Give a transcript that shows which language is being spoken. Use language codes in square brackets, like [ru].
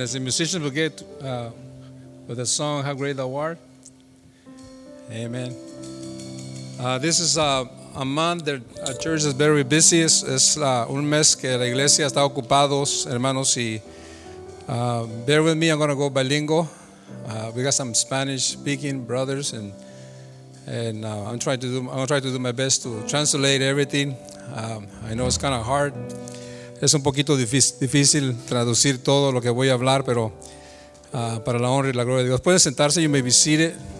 [en] As the musicians will get with the song, How Great Thou Art. Amen. This is a month that our church is very busy. [es] Es un mes que la iglesia está ocupados, hermanos. [en] Y bear with me, I'm going to go bilingual. We got some Spanish-speaking brothers, and I'm going to try to do my best to translate everything. I know it's kind of hard. [es] Es un poquito difícil traducir todo lo que voy a hablar, pero para la honra y la gloria de Dios. Pueden sentarse, [en] you may be seated.